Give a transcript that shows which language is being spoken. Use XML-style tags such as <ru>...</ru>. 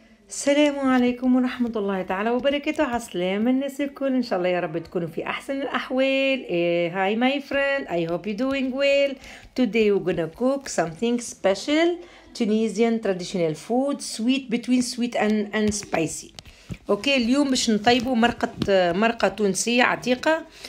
<ar>السلام عليكم ورحمة الله تعالى وبركاته. عسلامة الناس الكل، إن شاء الله يا رب تكونوا في أحسن الأحوال.</ar> <en>Hi my friend, I hope you're doing well. Today we're gonna cook something special, Tunisian traditional food, sweet, between sweet and spicy.</en> <ar>أوكي، اليوم باش نطيبوا مرقة تونسية عتيقة.</ar>